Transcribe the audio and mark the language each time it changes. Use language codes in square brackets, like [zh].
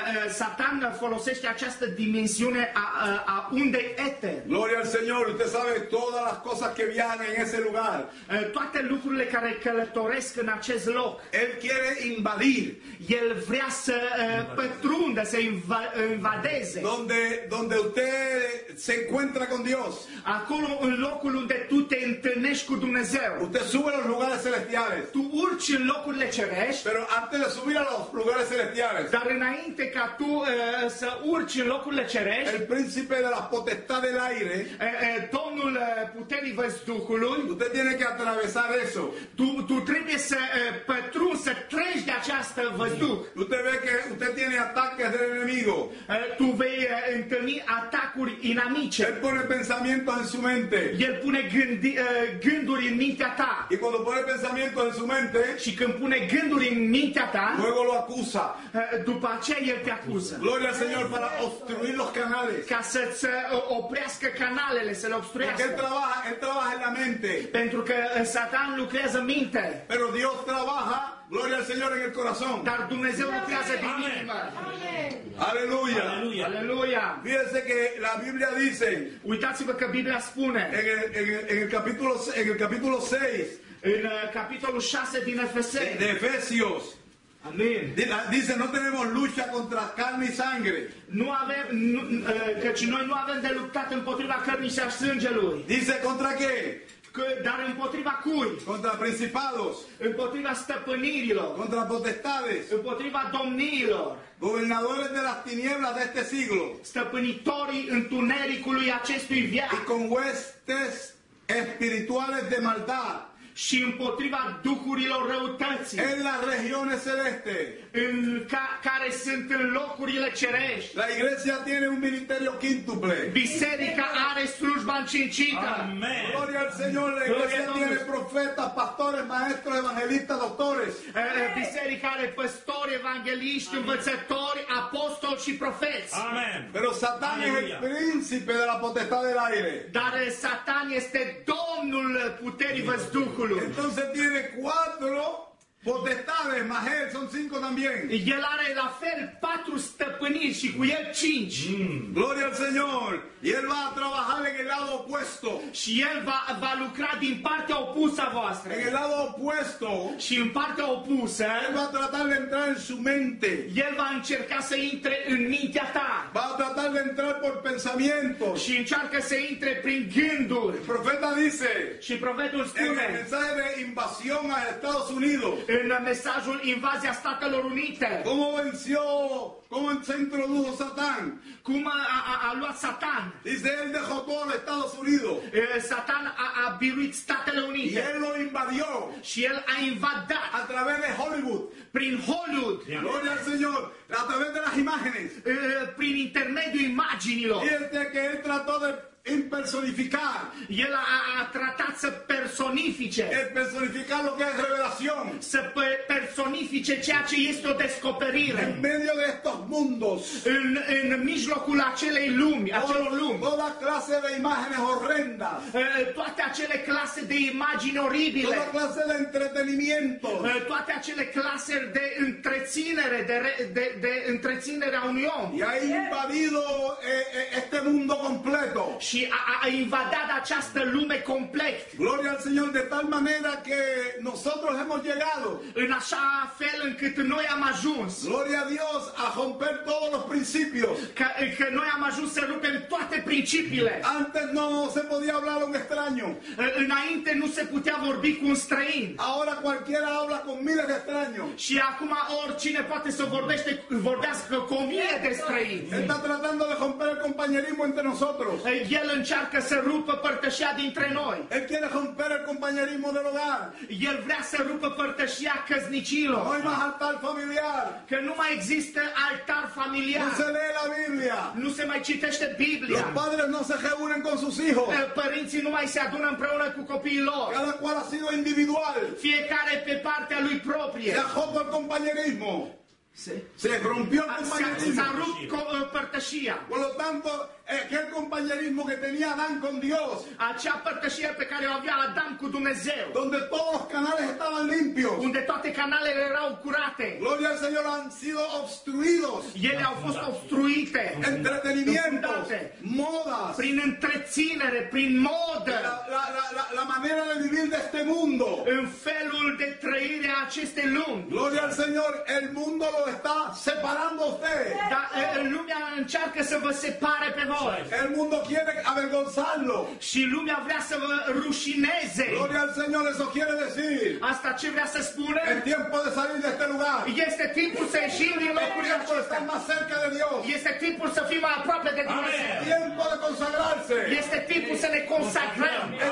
[ro] Satan folosește această dimensiune a undei eter. [es] Gloria al Señor, usted sabe todas las cosas que viajan en ese lugar. [ro] Toate lucrurile care călătoresc în acest loc. [es] Él quiere invadir. [ro] El vrea să pătrundă, să invadeze. [es] Donde usted se encuentra con Dios. [ro] Acolo în locul unde tu te întâlnești cu Dumnezeu. [es] Usted sube a los lugares celestiales. [ro] Tu urci în locurile cerești. [es] Pero antes de subir a los lugares celestiales. [ro] Dar înainte ca tu să urci în locurile cerești, [es] el príncipe de la potestad del aire, [ro] domnul puterii văzducului. Tu trebuie să [es] atravesar eso. [ro] Tu trebuie să pătrunzi, să treci de această văzduc. Nu trebuie că [es] usted tiene ataques del enemigo. [ro] Tu vei întâlni atacuri inamice. El pune [es] pensamientos en su mente. [ro] El pune gânduri în mintea ta. [es] Y cuando pone pensamientos en su mente, [ro] și când pune gânduri în mintea ta, [es] luego lo acusa. [ro] După aceea el te acuză. [es] Gloria al Señor para obstruir los canales. [ro] Ca să-ți oprească canalele, să le obstruiască. [es] Porque él trabaja en la mente. [ro] Pentru că Satan lucrează în minte. [es] Pero Dios trabaja, gloria al Señor, en el corazón. [ro] Dar Dumnezeu lucrează din inimă. [es] Aleluya. [ro] Aleluya. [es] Fíjense que la Biblia dice. [ro] Uitați-vă că Biblia spune. [es] En el capítulo 6. [ro] În capitolul 6 din Efeseni. [es] De Efesios. Amén. Dice, no tenemos lucha contra carne y sangre. [ro] Nu avem, căci noi nu avem de luptat împotriva cărnii și a sângelui. [es] Dice, contra qué? [ro] Dar împotriva cui? [es] Contra principados. [ro] Împotriva stăpânirilor. [es] Contra potestades. [ro] Împotriva domniilor. [es] Gobernadores de las tinieblas de este siglo. [ro] Stăpânitorii întunericului acestui viac. [es] Y con huestes espirituales de maldad. [ro] Și împotriva duhurilor răutății. [es] En las regiones celeste. [ro] În care sunt în locurile cerești. [es] La iglesia tiene un ministerio quíntuple. [ro] Biserica are slujba încincită. Amen. [es] Gloria al Señor. La iglesia tiene profetas, pastores, maestros, evangelistas, doctores. [ro] Biserica are păstori, evangeliști, învățători, apostoli și profeți. Amen. [es] Pero Satan es el príncipe de la potestad del aire. [ro] Dar Satan este domnul puterii văzducului. [es] Entonces tiene cuatro potestades, más él, son cinco también. Y él [ro] are la fel patru stăpâniri și cu el cinci. [es] Gloria al Señor. Y él va a trabajar en el lado opuesto. [ro] Și el va lucra din partea opusă a voastră. [es] En el lado opuesto. [ro] Și în partea opusă. [es] Él va a tratar de entrar en su mente. [ro] El va încerca să intre în mintea ta. [es] Va a tratar de entrar por pensamientos. [ro] Și încearcă să intre prin gânduri. [es] El profeta dice. [ro] Și profetul spune. [es] El mensaje de invasión a Estados Unidos. [ro] În mesajul invazia Statelor Unite. Cum [es] venció, cum se introdujo Satan? [ro] Cum a luat Satan? [es] Dice, el dejó todo Estados Unidos. [ro] Satan a biruit Statele Unite. [es] Y él lo invadió. [ro] Și el a invadat. [es] A través de Hollywood. [ro] Prin Hollywood. [es] Gloria al Señor. A través de las imágenes. [ro] Prin intermediul imaginilor. [es] Fíjate que él trató de impersonificar. [ro] El a tratat să personifice. [es] El personificar lo que es revelación. [ro] Să personifice ceea ce este o descoperire. [es] En medio de estos mundos. [ro] În mijlocul acelei lumi, acelor lumi. [es] Toda clase de imágenes horrendas. [ro] Toate acele clase de imagini oribile. [es] Toda clase de entretenimiento. [ro] Toate acele clase de întreținere, de întreținere a unui om. [es] Y ha invadido este mundo completo. [ro] Și a invadat această lume complet. [es] Gloria al Señor, de tal manera que nosotros hemos llegado. [ro] În așa fel încât noi am ajuns. [es] Gloria a Dios, a romper todos los principios. [ro] Că noi am ajuns să rupem toate principiile. [es] Antes no se podía hablar un extraño. [ro] Înainte nu se putea vorbi cu un străin. [es] Ahora cualquiera habla con miles de extraños. [ro] Și acum oricine poate să vorbească cu o mie de străini. [es] Está tratando de romper el compañerismo entre nosotros. [ro] El încearcă să rupă părtășia dintre noi. [es] El quiere romper el compañerismo del hogar. [ro] El vrea să rupă părtășia căsnicilor. [es] No hay más altar familiar. [ro] Că nu mai există altar familiar. [es] No se lee la Biblia. [ro] Nu se mai citește Biblia. [es] Los padres no se reúnen con sus hijos. [ro] Părinții nu mai se adună împreună cu copiii lor. [es] Cada cual ha sido individual. [ro] Fiecare pe partea lui proprie. [es] Dejó por compañerismo. [ro] Se [es] rompió el compañerismo. [ro] S-a rupt părtășia. [es] Por lo tanto, aquel compañerismo que tenía Adán con Dios. [ro] Acea părtășie pe care o avea Adam cu Dumnezeu. [es] Donde todos los canales estaban limpios. [ro] Unde toate canalele erau curate. [es] Gloria al Señor, han sido obstruidos. [ro] Ele au fost obstruite. [es] Entretenimiento. Modas. [ro] Prin întreținere, prin modă. [es] La manera de vivir de este mundo. [ro] În felul de trăire a acestei lumi. [es] Gloria al Señor, el mundo lo está separando usted. [ro] Lumea încearcă să vă separe pe voi. [es] El mundo quiere avergonzarlo. [ro] Și lumea vrea să vă rușineze. [es] Gloria al Señor, eso quiere decir. [ro] Asta ce vrea să spune? [es] El tiempo de salir de este lugar. [ro] Este timpul să ieșim din locul acesta. [es] Estar más cerca de Dios. [ro] Este timpul să fim mai aproape de Dumnezeu. [es] Tiempo de consagrarse. [ro] Este timpul să ne consacrăm.